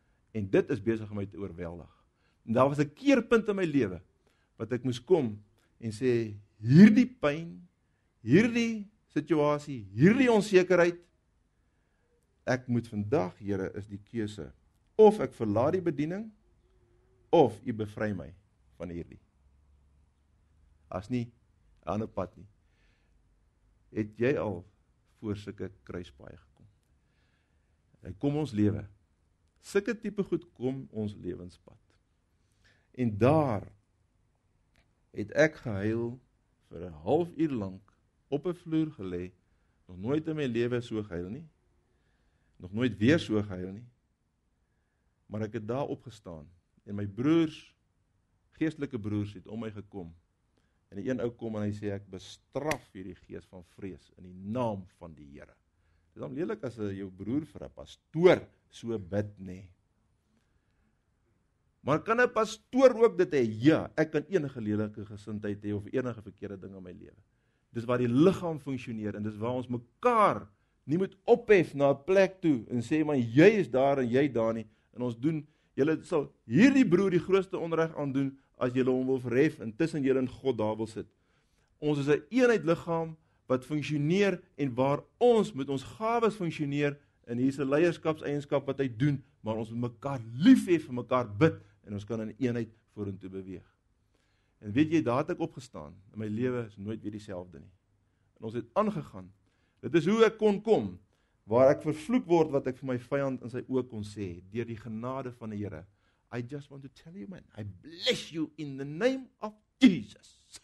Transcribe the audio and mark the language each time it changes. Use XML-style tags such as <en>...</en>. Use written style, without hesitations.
<af>En dit is besig om my te oorweldig. En daar was 'n keerpunt in my lewe, wat ek moes kom en sê, hierdie pyn, hierdie situasie, hierdie onsekerheid, ek moet vandag, Here, is die keuse, of ek verlaat die bediening, of u bevry my van hierdie. As nie, aan die pad nie. Het jy al voor sulke kruispaaie gekom? Hy kom ons lewe. Sulke tipe goed kom ons lewenspad. En daar het ek gehuil vir 'n half uur lank op 'n vloer gelê, nog nooit in my lewe so gehuil nie, nog nooit weer so gehuil nie, maar ek het daar opgestaan, en my broers, geestelike broers, het om my gekom, en die een ou kom en hy sê, ek bestraf hierdie gees van vrees in die naam van die Here. Dit is dan lelik as jou broer vir 'n pastoor so bid, nee. Maar kan een pastoor ook dit hê? Ja, ek kan enige lelike gesindheid hê of enige verkeerde ding in my lewe. Dis waar die liggaam funksioneer en dis waar ons mekaar nie moet ophef na 'n plek toe en sê maar jy is daar en jy daar nie. En ons doen, julle sal hierdie broer die grootste onreg aandoen as julle hom wil verhef en tussen julle en God daar wil sit. Ons is 'n eenheid liggaam wat funksioneer en waar ons met ons gawes funksioneer en hier is 'n leierskapseienskap wat hy doen, maar ons moet mekaar lief hê vir mekaar bid en ons kan in eenheid vorentoe beweeg. En weet jy, daar het ek opgestaan en my lewe is nooit weer dieselfde nie. En ons het aangegaan. Dit is hoe ek kon kom waar ek vervloek word wat ek vir my vyand in sy oë kon sê deur die genade van die Here.</af> <en>I just want to tell you man, I bless you in the name of Jesus.</en>